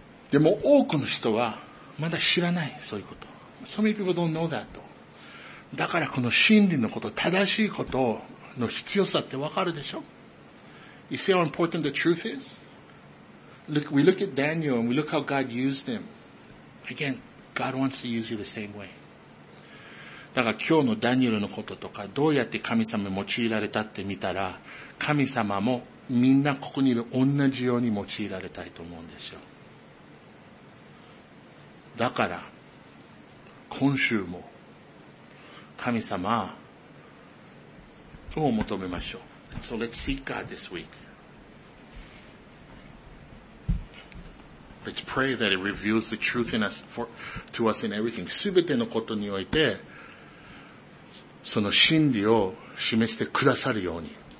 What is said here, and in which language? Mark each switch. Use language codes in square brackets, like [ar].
[ja] でも多くの人はまだ知らない、そういうこと。 [en] So many people don't know that. [ja] だからこの真理のこと、正しいことの必要さってわかるでしょ? [en] You see how important the truth is? Look, we look at Daniel and we look how God used him. Again, God wants to use you the same way. [ja] だから今日のダニエルのこととか、どうやって神様に用いられたって見たら、神様もみんなここにいる同じように用いられたいと思うんですよ。だから今週も神様を求めましょう。 [en] So let's seek God this week. Let's pray that it reveals the truth in us for to us in everything. [ja] すべてのことにおいてその真理を示してくださるように。